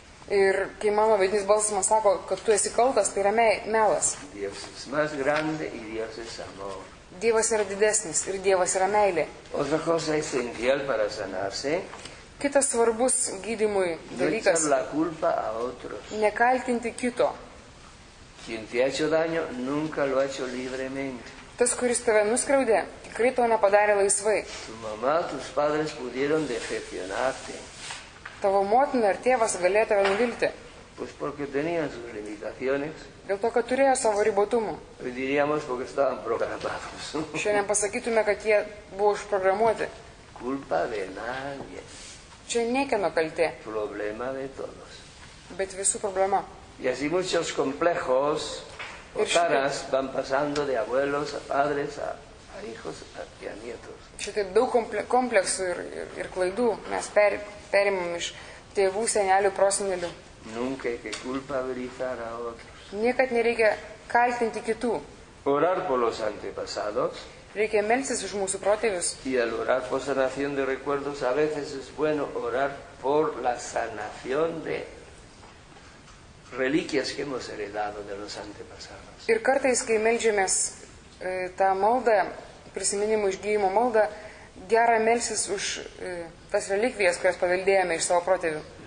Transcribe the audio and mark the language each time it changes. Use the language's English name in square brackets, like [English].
[Lithuanian] Ir kai mano vidinis balsas man sako, kad tu esi kaltas, tai yra melas. [Spanish] Dievas es más grande y Dios es amor. [Lithuanian] Dievas yra didesnis ir Dievas yra meilė. [Spanish] Otra cosa esencial para sanarse. [Lithuanian] Kitas svarbus gydymui dalykas. [Spanish] No echar la culpa a otros. [Lithuanian] Nekaltinti kito. [Spanish] Quien te ha hecho daño, nunca lo ha hecho libremente. [Lithuanian] Tas, kuris tave nuskriaudė, tikrai to nepadarė laisvai. [Spanish] Tu mama, tus padres pudieron decepcionarte. [Lithuanian] Tavo motina ir tėvas galėjo tave nuvilti. [Spanish] Pues porque tenían sus limitaciones. [Lithuanian] Dėl to, kad turėjo savo ribotumų. [Spanish] Diríamos porque estaban programados. [Lithuanian] Šiandien pasakytume, kad jie buvo užprogramuoti. [Spanish] Culpa de nadie. [Lithuanian] Čia niekieno kaltė. [Spanish] Problema de todos. [Lithuanian] Bet visų problema. [Spanish] Y así muchos complejos o taras van pasando de abuelos a padres a hijos a nietos. [Lithuanian] Šitai daug kompleksų ir klaidų mes perimam iš tėvų, senelių, prosenelių. [Spanish] Nunca que culpabilizar a otros. [Lithuanian] Niekad nereikia kaltinti kitų. [Spanish] Orar por los antepasados. [Lithuanian] Reikia melstis už mūsų protėvius. [Spanish] Y al orar por sanación de recuerdos, a veces es bueno orar por la sanación de reliquias que hemos heredado de los antepasados. [Lithuanian] Ir kartais, kai meldžiamės tą maldą, prisiminimų išgyjimo maldą, gera melsis už tas relikvijas, kurias paveldėjome iš savo protėvių.